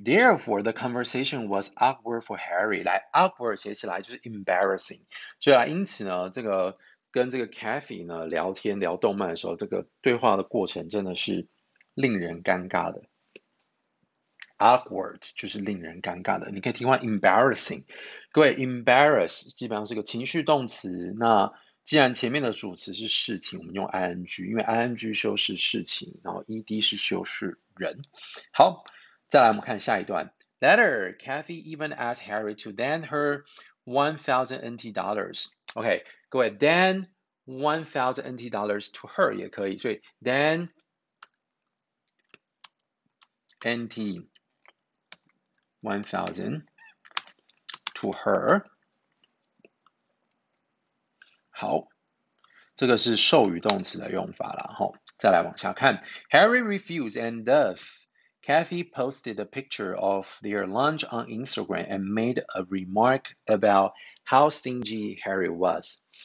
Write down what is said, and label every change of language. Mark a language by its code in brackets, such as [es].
[en] Therefore, the conversation was awkward for Harry 来。 [zh] 来，awkward 写起来就是 embarrassing。所以啊，因此呢，这个跟这个 Kathy 呢聊天聊动漫的时候，这个对话的过程真的是令人尴尬的。 Awkward 就是令人尴尬的。你可以替换 embarrassing。各位，embarrass 基本上是个情绪动词。那既然前面的主词是事情，我们用 ing，因为 ing 修饰事情，然后 ed 是修饰人。好，再来我们看下一段。 [en] Later, Kathy even asked Harry to lend her NT$1,000. [zh] OK，各位， [en] lend NT$1,000 to her [zh] 也可以，所以 lend [en] NT 1000 to her。 [zh] 好，这个是授予动词的用法啦。再来往下看 [en] ，Harry refused and thus Kathy posted a picture of their lunch on Instagram and made a remark about how stingy Harry was.